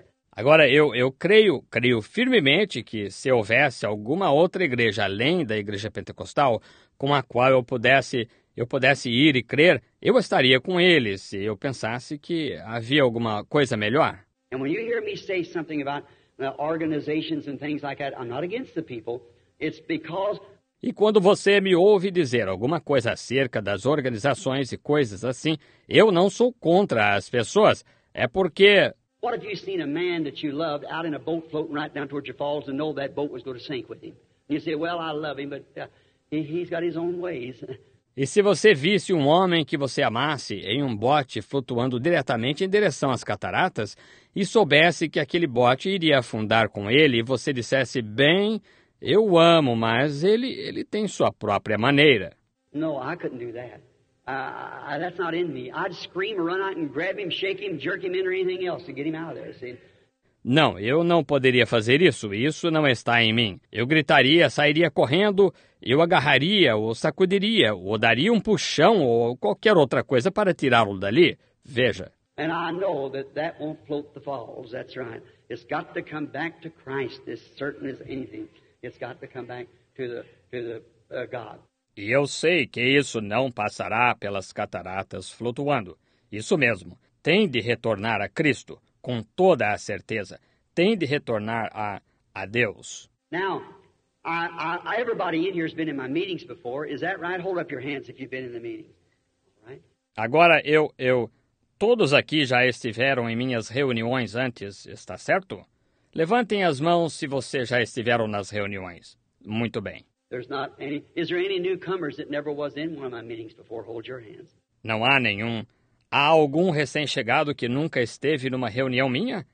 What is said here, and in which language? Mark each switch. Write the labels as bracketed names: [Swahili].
[Portuguese] Agora, eu creio firmemente que se houvesse alguma outra igreja além da igreja pentecostal com a qual eu pudesse ir e crer, eu estaria com eles se eu pensasse que havia alguma coisa melhor. [English] And when you hear me say something about organizations and things like that, I'm not against the people. It's because... [Portuguese] E quando você me ouve dizer alguma coisa acerca das organizações e coisas assim, eu não sou contra as pessoas. É porque... [English] What if you seen a man that you loved out in a boat floating right down towards your falls and know that boat was going to sink with him? You say, well, I love him, but he's got his own ways. [Portuguese] E se você visse um homem que você amasse em um bote flutuando diretamente em direção às cataratas e soubesse que aquele bote iria afundar com ele e você dissesse, bem, eu o amo, mas ele tem sua própria maneira. [English] No, I couldn't do that. That's not in me. I'd scream or run out and grab him, shake him, jerk him in or anything else to get him out of there, see? [Portuguese] Não, eu não poderia fazer isso. Isso não está em mim. Eu gritaria, sairia correndo, eu agarraria, ou sacudiria, ou daria um puxão ou qualquer outra coisa para tirá-lo dali. Veja. [English] And I know that that won't float the falls. That's right. It's got to come back to Christ, as certain as anything. It's got to come back to the God. [Portuguese] E eu sei que isso não passará pelas cataratas flutuando. Isso mesmo. Tem de retornar a Cristo. Com toda a certeza, tem de retornar a Deus. [English] Now, everybody in here has been in my meetings before. Is that right? Hold up your hands if you've been in the meetings. Right? [Portuguese] Agora, todos aqui já estiveram em minhas reuniões antes, está certo? Levantem as mãos se vocês já estiveram nas reuniões. Muito bem. [English] There's not any, is there any newcomers that never was in one of my meetings before? Hold your hands. [Portuguese] Não há nenhum. Há algum recém-chegado que nunca esteve numa reunião minha?